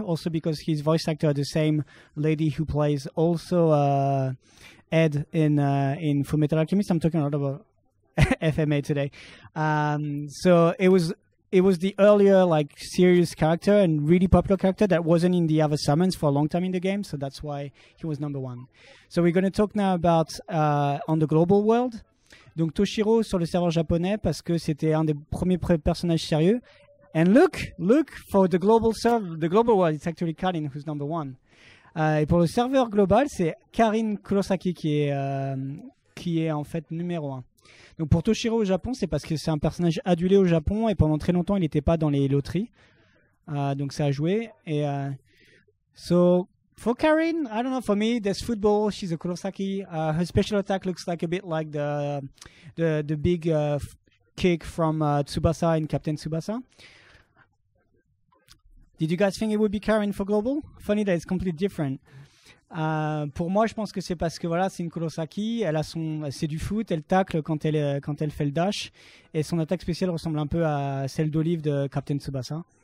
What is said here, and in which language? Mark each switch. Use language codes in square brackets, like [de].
[en] Also because his voice actor, the same lady who plays also Ed in Fullmetal Alchemist. I'm talking a lot about FMA today. So it was the earlier like serious character and really popular character that wasn't in the other summons for a long time in the game, so that's why he was number one. So we're going to talk now about on the global world. [fr] Donc Toshiro sur le serveur japonais parce que c'était un des premiers personnages sérieux. [en] And look for the global server. The global one, it's actually Karin who's number one. [fr] Et pour le serveur global, c'est Karin Kurosaki qui est en fait numéro un. Donc pour Toshiro au Japon, c'est parce que c'est un personnage adulé au Japon et pendant très longtemps, il n'était pas dans les loteries. Donc ça a joué. [en] Et, so for Karin, I don't know, for me, there's football. She's a Kurosaki. Her special attack looks like a bit like the big kick from Tsubasa in Captain Tsubasa. Did you guys think it would be Karin for global? Funny that it's completely different. [fr] Pour moi, je pense que c'est parce que voilà, c'est une Kurosaki. Elle a son, c'est du foot. Elle tacle quand elle fait le dash. Et son attaque spéciale ressemble un peu à celle d'Olive de Captain Tsubasa.